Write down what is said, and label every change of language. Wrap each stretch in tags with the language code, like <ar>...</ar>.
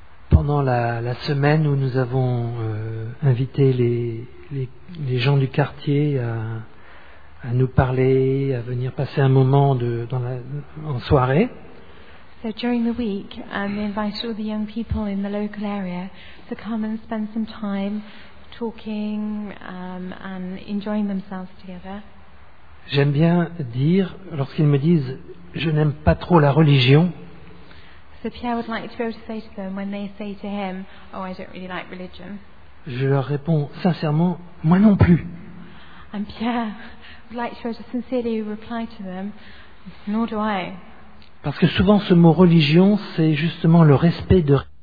<fr>Pendant la semaine où nous avons invité les gens du quartier à nous parler, à venir passer un moment en soirée.</fr> <en>So during the week, we invited all the young people in the local area to come and spend some time talking and enjoying themselves together.</en> <fr>J'aime bien dire, lorsqu'ils me disent, je n'aime pas trop la religion.</fr> <en>So Pierre would like to be able to say to them when they say to him, oh, I don't really like religion.</en> <fr>Je leur réponds sincèrement, moi non plus.</fr> <en>And Pierre would like to be able to sincerely reply to them, nor do I.</en> <fr>Parce que souvent ce mot religion, c'est justement le respect de...</fr>